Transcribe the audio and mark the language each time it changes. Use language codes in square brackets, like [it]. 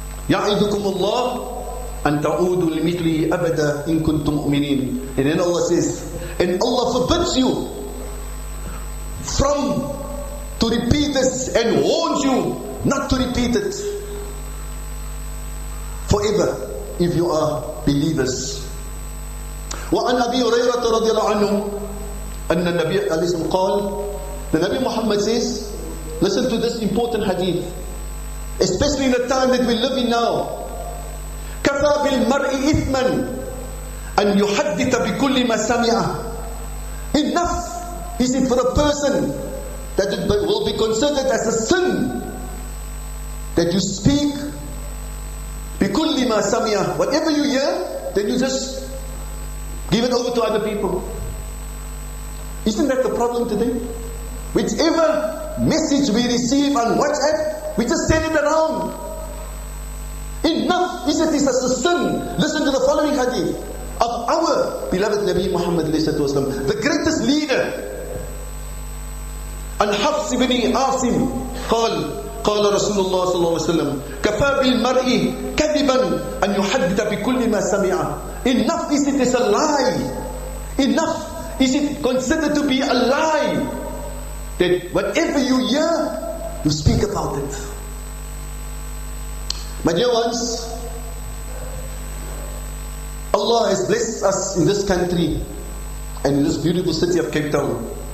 [ar] يعيدكم الله أن تعودوا لمثلي أبدا إن كنتم مؤمنين. [en] And then Allah says, and Allah forbids you from to repeat this and warns you not to repeat it forever if you are believers. [ar] وعن أبي هريرة رضي الله عنه أن النبي عليه الصلاة والسلام قال. [en] The Nabi Muhammad says, listen to this important hadith, especially in the time that we live in now. [ar] كَفَى بِالْمَرْءِ إِثْمًا أَنْ يُحَدِّثَ بِكُلِّ مَا سَمِعَ. [en] Enough is it for a person that it will be considered as a sin that you speak [ar] بِكُلِّ مَا سَمِعَ. [en] Whatever you hear, then you just give it over to other people. Isn't that the problem today? Whichever message we receive on WhatsApp, we just send it around. Enough is it, is a sin. Listen to the following hadith of our beloved Nabi Muhammad, the greatest leader. [ar] An Hafs ibn Asim قال قال رسول الله صلى الله عليه وسلم كفى بالمرء كذبا أن يحدث بكل ما سمع. [en] Enough is it, is a lie. Enough is it considered to be a lie that whatever you hear, you speak about it. My dear ones, Allah has blessed us in this country and in this beautiful city of Cape Town.